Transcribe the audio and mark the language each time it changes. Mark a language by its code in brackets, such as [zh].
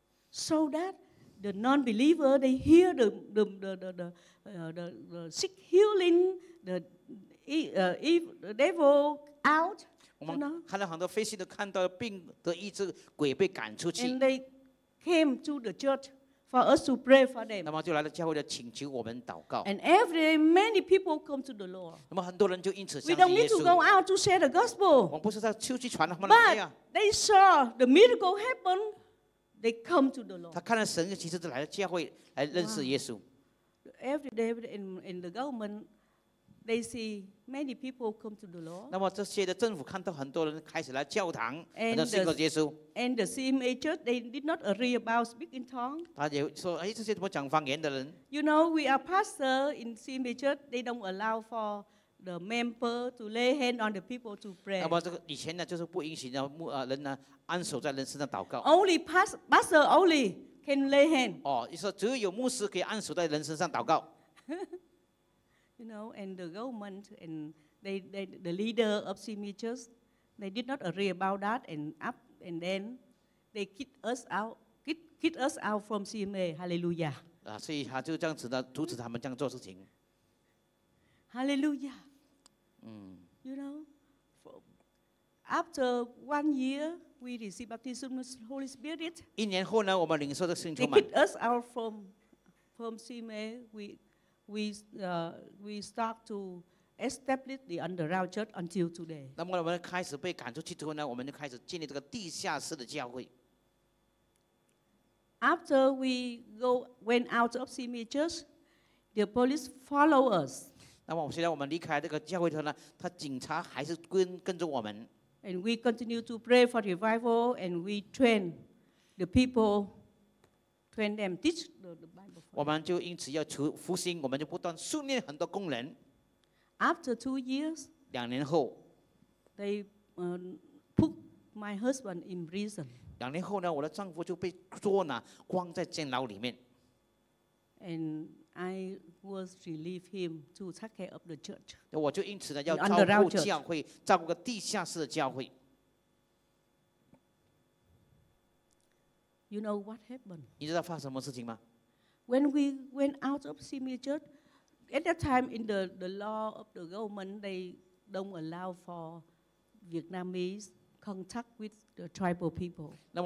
[en] So that the non-believer, they hear the sick healing. The devil out. [zh] 我们看到很多非信的看到病的医治，鬼被赶出去。 [en] And they came to the church for us to pray for them. [zh] 那么就来到教会的请求我们祷告。 [en] And every many people come to the Lord. [zh] 那么很多人就因此相信耶稣。 [en] We don't need to go out to share the gospel. [zh] 我们不是在出去传他们的福音。 [en] But they saw the miracle happen. They come to the Lord. [zh] 他看到神其实是来到教会来认识耶稣。 [en] Every day in the government. They see many people come to the Lord. [zh] 那么这些的政府看到很多人开始来教堂，很多信靠耶稣。 [en] And the CMA church, they did not agree about speaking tongue. [zh] 他也说，哎，这些怎么讲方言的人 [en] ？You know, we are pastor in CMA church. They don't allow for the member to lay hand on the people to pray. [zh] 那么这个以前呢，就是不允许的牧人呢按手在人身上祷告。 [en] Only pastor only can lay hand. [zh] 哦，你说只有牧师可以按手在人身上祷告。 [en] You know, and the government and the leader of CMA church, they did not agree about that, and then they kicked us out from CMA. Hallelujah. [zh] 所以他就这样子的阻止他们这样做事情。 [en] Hallelujah. You know, after 1 year, we receive baptism of the Holy Spirit. [zh] 一年后呢，我们领受的圣灵充满。 [en] They kicked us out from CMA. We start to establish the underground church until today. [zh] 那么我们开始被赶出去之后呢，我们就开始建立这个地下室的教会。 [en] After we went out of CMA church, the police follow us. [zh] 那么虽然我们离开这个教会之后呢，他警察还是跟着我们。 [en] And we continue to pray for revival, and we train the people. Train them, teach the Bible. [zh] 我们就因此要求复兴，我们就不断训练很多工人。 [en] After 2 years, [zh] 2年后， [en] they put my husband in prison. [zh] 2年后呢，我的丈夫就被捉拿，关在监牢里面。 [en] And I was relieve him to take care of the church. [zh] 我就因此呢要照顾教会，照顾个地下室的教会。 [en] You know what happened? [zh] 你知道发生什么事情吗？ [en] When we went out of CMA church, at that time in the law of the government, they don't allow for Vietnamese contact with the tribal people.